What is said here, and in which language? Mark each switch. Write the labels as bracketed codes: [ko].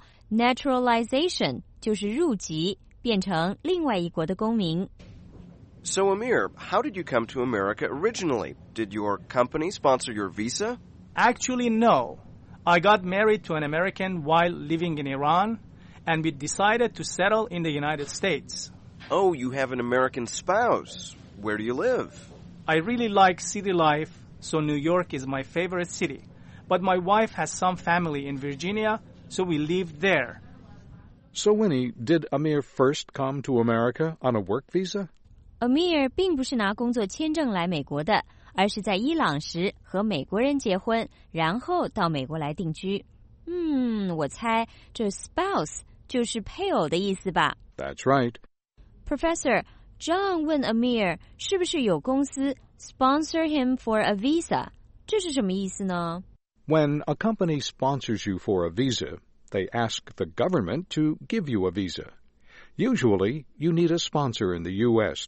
[zh] Naturalization 就是入籍，变成另外一国的公民。 [en] So Amir, how did you come to America originally? Did your company sponsor your visa? Actually, no. I got married to an American while living in Iran, and we decided to settle in the United States. Oh, you have an American spouse. Where do you live? I really like city life, so New York is my favorite city. But my wife has some family in Virginia, so we lived there. So Winnie, did Amir first come to America on a work visa? [zh] Amir 并不是拿工作签证来美国的，而是在伊朗时和美国人结婚，然后到美国来定居。我猜这 spouse 就是配偶的意思吧。 [en] That's right. [zh] Professor, John 问 Amir 是不是有公司 [en] sponsor him for a visa? [zh] 这是什么意思呢？ [en] When a company sponsors you for a visa, they ask the government to give you a visa. Usually, you need a sponsor in the U.S.